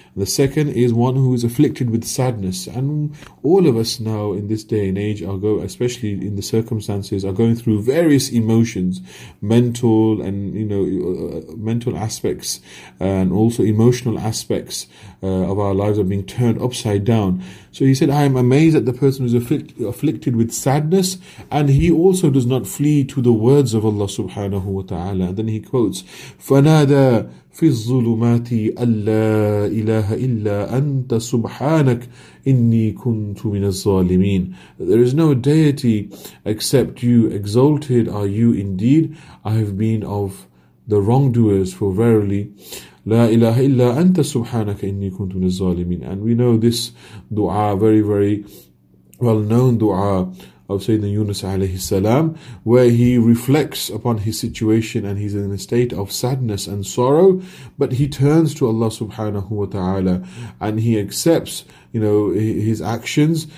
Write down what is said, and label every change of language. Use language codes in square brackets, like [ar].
[en] The second is one who is afflicted with sadness. And all of us now in this day and age especially in the circumstances, are going through various emotions, mental and mental aspects and also emotional aspects of our lives are being turned upside down. So he said, "I am amazed at the person who is afflicted with sadness, and he also does not flee to the words of Allah subhanahu wa ta'ala." And then he quotes, [ar] "Fanada في الظلمات أن لا إله إلا أنت سبحانك إني كنت من الظالمين." [en] There is no deity except you. Exalted are you indeed. I have been of the wrongdoers, for verily, [ar] لا إله إلا أنت سبحانك إني كنت من الظالمين. [en] And we know this dua, very, very well-known dua of Sayyidina Yunus alayhi salam, where he reflects upon his situation and he's in a state of sadness and sorrow, but he turns to Allah subhanahu wa ta'ala and he accepts his actions.